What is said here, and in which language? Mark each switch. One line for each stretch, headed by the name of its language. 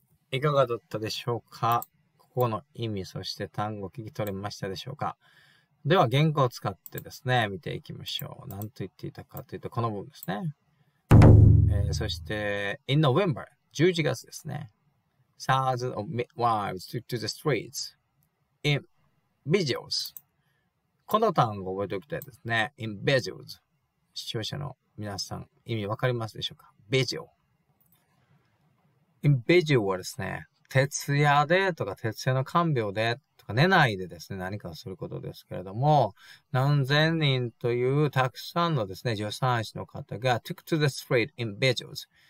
Japanese: いかがだったでしょうか。ここの意味、そして単語聞き取れましたでしょうか。では原稿を使ってですね、見ていきましょう。何と言っていたかというと、この部分ですね。そして、
English: In November,
Japanese: 11月ですね。
English: Thousands of midwives took to the streets in vigils.
Japanese: この単語を覚えておきたいですね。 in vigils 視聴者の皆さん、意味わかりますでしょうか ?vigil。 in vigil はですね、徹夜でとか、徹夜の看病でとか、寝ないでですね、何かをすることですけれども、何千人というたくさんのですね、助産師の方が
English: took to the street in vigils。